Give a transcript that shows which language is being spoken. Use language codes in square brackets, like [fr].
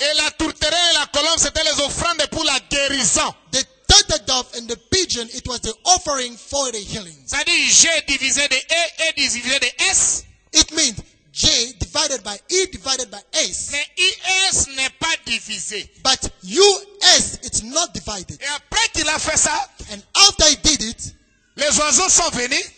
[fr] Et la tourterelle et la colombe c'était les offrandes pour la guérison. [en] The turtle dove and the pigeon it was the offering for the healing. [fr] Ça dit J divisé de E, E divisé de S. [en] It means J divided by E divided by S. [fr] Mais ES n'est pas divisé. [en] But US it's not divided. [fr] Et après qu'il a fait ça, [en] and after he did it, [fr] les oiseaux sont venus.